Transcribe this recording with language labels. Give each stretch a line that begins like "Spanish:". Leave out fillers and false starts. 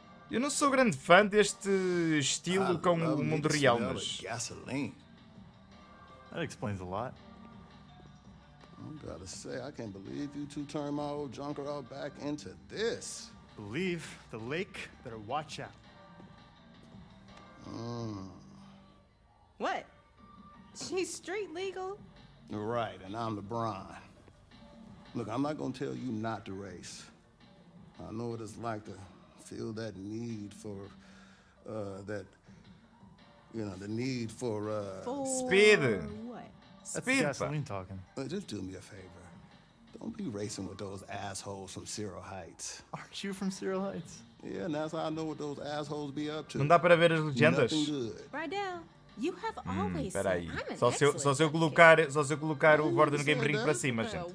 Portuguese: Eu não sou grande fã deste estilo com o mundo real, mas...
English: That explains a lot. I gotta say, I can't believe you two turned my old junker out back into this. Believe the lake, better watch out. What? She's street legal? Right, and I'm LeBron. Look, I'm not gonna tell you not to race. I know what it's like to... feel that need for that, you know, the need for speed. What? Speed. That's gasoline talking. But just do me a favor. Don't be racing with those assholes from Cyril Heights. Aren't you from Cyril Heights? Yeah, and that's how I know what those assholes be up to.
Portuguese: Não dá para ver as legendas.
English: Rydell, you have always
Portuguese: Espera aí. Só se eu colocar o Gordon Game Ring para cima, gente.